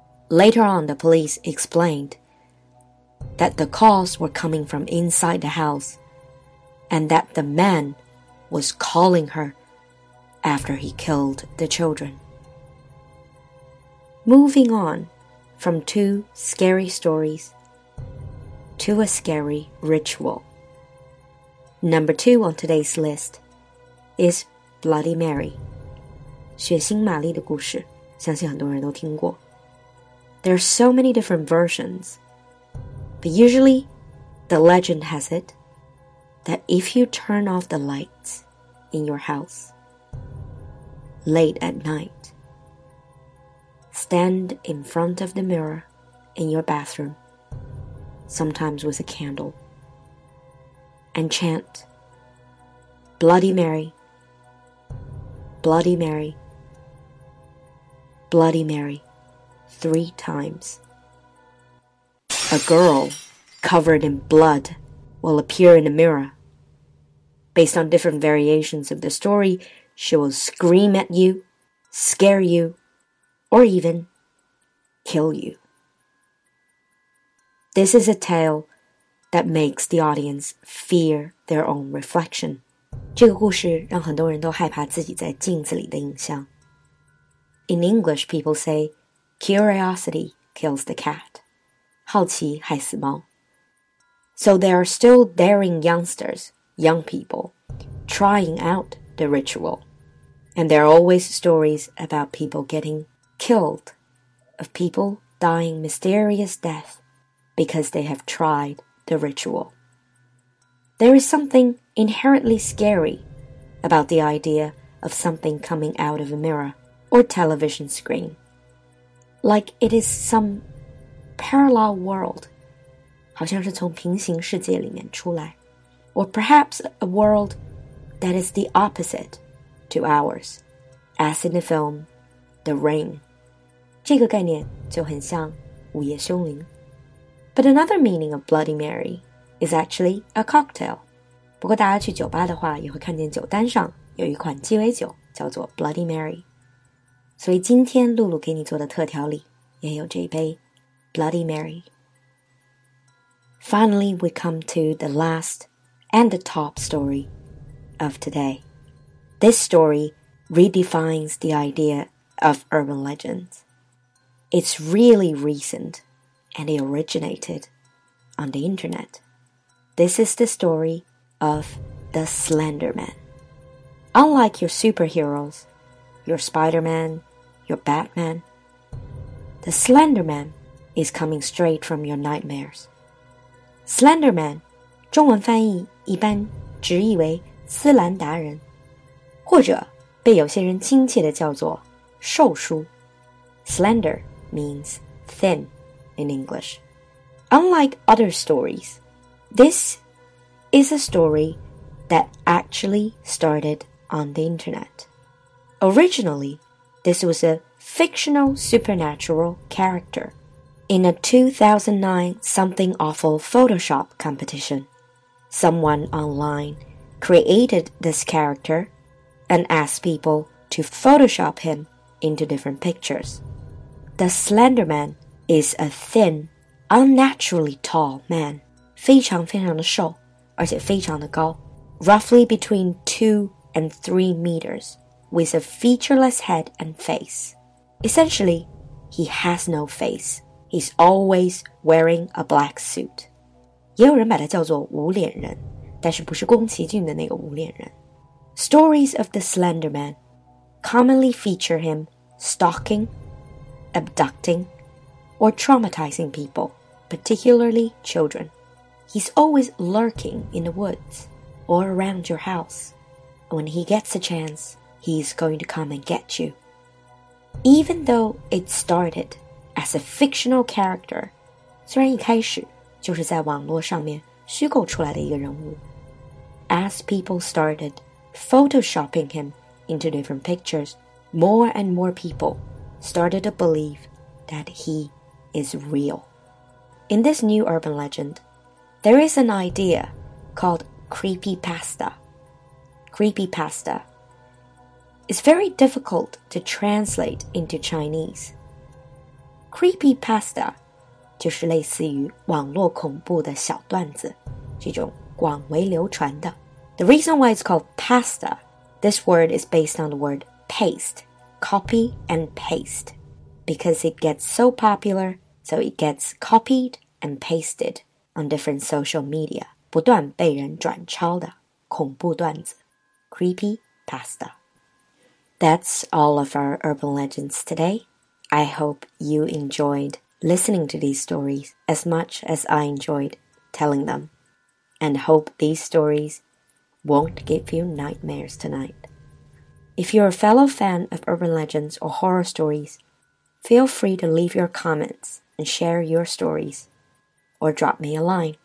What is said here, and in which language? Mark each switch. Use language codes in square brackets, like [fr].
[en] Later on, the police explained that the calls were coming from inside the house and that the man was calling her after he killed the children. Moving on from two scary stories to a scary ritual. Number 2 on today's list is Bloody Mary. [zh] 血腥玛丽的故事，相信很多人都听过。 [en] There are so many different versions, but usually the legend has it that if you turn off the lights in your house late at night, stand in front of the mirror in your bathroom, sometimes with a candle, and chant, Bloody Mary, Bloody Mary,Bloody Mary, 3 times. A girl covered in blood will appear in a mirror. Based on different variations of the story, she will scream at you, scare you, or even kill you. This is a tale that makes the audience fear their own reflection. [zh] 这个故事让很多人都害怕自己在镜子里的影像。 [en] In English, people say, curiosity kills the cat. [zh] 好奇害死猫。 [en] So there are still daring youngsters, young people, trying out the ritual. And there are always stories about people getting killed, of people dying mysterious death because they have tried the ritual. There is something inherently scary about the idea of something coming out of a mirror. Or television screen. Like it is some parallel world. [zh] 好像是从平行世界里面出来。 [en] Or perhaps a world that is the opposite to ours. As in the film, The Ring. [zh] 这个概念就很像午夜凶铃。 [en] But another meaning of Bloody Mary is actually a cocktail. [zh] 不过大家去酒吧的话也会看见酒单上有一款鸡尾酒叫做 Bloody Mary。所以今天露露给你做的特调里也有这一杯 Bloody Mary。 [en] Finally, we come to the last and the top story of today. This story redefines the idea of urban legends. It's really recent, and it originated on the internet. This is the story of the Slender Man. Unlike your superheroes, your Spider-Man, your Batman, the Slender Man is coming straight from your nightmares. [zh] Slender Man, 中文翻译一般直译为斯兰达人，或者被有些人亲切地叫做瘦叔。 [en] Slender means thin in English. Unlike other stories, this is a story that actually started on the internet. Originally, this was a fictional supernatural character in a 2009 Something Awful Photoshop competition. Someone online created this character and asked people to Photoshop him into different pictures. The Slender Man is a thin, unnaturally tall man, [zh] 非常非常的瘦，而且非常的高。 [en] Roughly between 2 and 3 meters, with a featureless head and face. Essentially, he has no face. He's always wearing a black suit. 也有人把他叫做无脸人，但是不是宫崎骏的那个无脸人。 Stories of the Slender Man commonly feature him stalking, abducting, or traumatizing people, particularly children. He's always lurking in the woods. Or around your house. When he gets a chance, he's going to come and get you. Even though it started as a fictional character, [zh] 虽然一开始就是在网络上面虚构出来的一个人物， [en] as people started photoshopping him into different pictures, more and more people started to believe that he is real. In this new urban legend, there is an idea calledCreepypasta. Creepypasta. It's very difficult to translate into Chinese. [zh] Creepypasta 就是类似于网络恐怖的小段子，这种广为流传的。 [en] The reason why it's called pasta, this word is based on the word paste, copy and paste, because it gets so popular, so it gets copied and pasted on different social media. [zh] 不断被人转抄的恐怖段子 Creepy Pasta. [en] That's all of our urban legends today. I hope you enjoyed listening to these stories as much as I enjoyed telling them. And hope these stories won't give you nightmares tonight. If you're a fellow fan of urban legends or horror stories, feel free to leave your comments and share your stories. Or drop me a line.